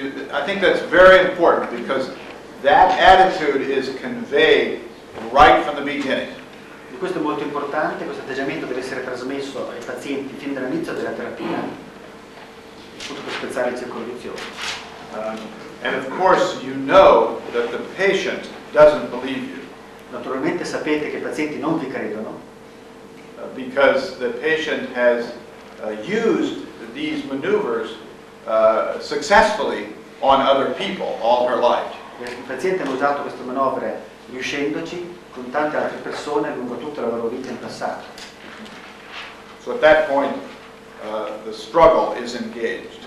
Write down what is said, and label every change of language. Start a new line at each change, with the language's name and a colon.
English: I think that's very important because that attitude is conveyed right from the beginning.
Italian: E questo è molto importante, questo atteggiamento deve essere trasmesso ai pazienti fin dall'inizio della terapia, appunto per spezzare il circolo vizioso.
English: And of course you know that the patient doesn't believe you.
Italian: Naturalmente sapete che i pazienti non vi credono.
English: Because the patient has used these maneuvers successfully on other people all her life.
Italian: Il paziente ha usato queste manovre riuscendoci con tante altre persone lungo tutta la loro vita in passato.
English: So at that point the struggle is engaged.